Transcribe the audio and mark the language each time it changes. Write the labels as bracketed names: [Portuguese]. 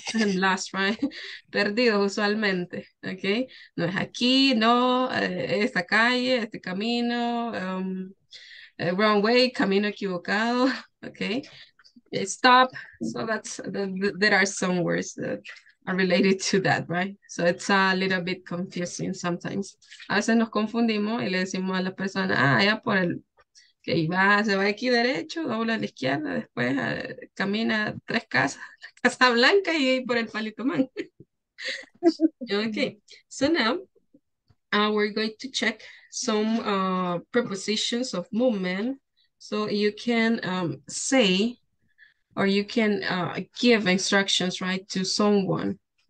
[English] And last, right? [Spanish] Perdido usualmente, [English] okay? [Spanish] No es aquí, no, esta calle, este camino, [English] wrong way, [Spanish] camino equivocado, okay? Stop. [English] So that's, there are some words that are related to that, right? So it's a little bit confusing sometimes. [Spanish] A veces nos confundimos y le decimos a la persona, ya por el que iba, se va aquí derecho, dobla a la izquierda, después camina tres casas, la Casa Blanca y por el Palito Man. [English] Okay, so now we're going to check some prepositions of movement so you can say or you can give instructions, right, to someone.